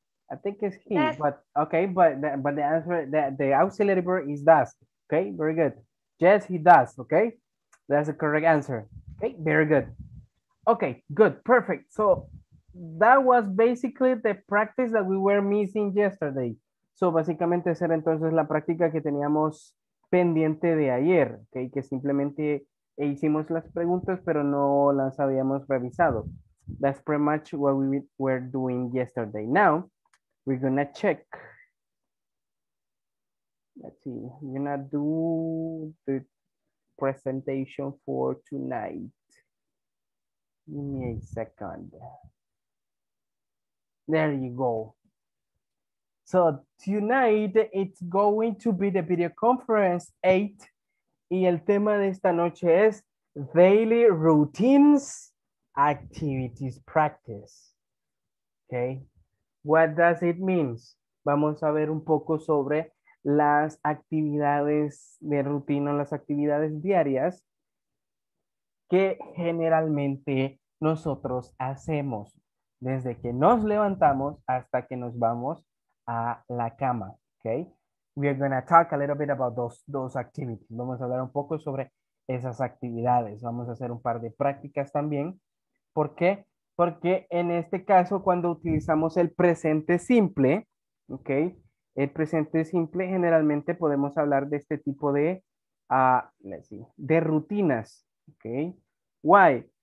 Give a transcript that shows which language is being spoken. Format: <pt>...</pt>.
<en>I think it's he, does. But okay, but the answer, the auxiliary verb is does. Okay, very good. Yes, he does. Okay, that's the correct answer. Okay, very good. Okay, good, perfect. So that was basically the practice that we were missing yesterday.</en> <es>So básicamente esa era entonces la práctica que teníamos pendiente de ayer, okay, que simplemente hicimos las preguntas pero no las habíamos revisado.</es> <en>That's pretty much what we were doing yesterday. Now we're gonna check. Let's see, we're gonna do the presentation for tonight. Give me a second. There you go. So tonight it's going to be the video conference 8.</en> <es>Y el tema de esta noche es</es> <en>daily routines, activities, practice.</en> <es>Okay.</es> <en>What does it mean?</en> <es>Vamos a ver un poco sobre las actividades de rutina, las actividades diarias que generalmente nosotros hacemos desde que nos levantamos hasta que nos vamos a la cama.</es> <en>Okay. We are going to talk a little bit about those activities.</en> <es>Vamos a hablar un poco sobre esas actividades. Vamos a hacer un par de prácticas también. ¿Por qué? Porque en este caso, cuando utilizamos el presente simple, ¿ok? El presente simple, generalmente podemos hablar de este tipo de,</es> <en>let's see,</en> <es>de rutinas, ¿ok? Why?</es>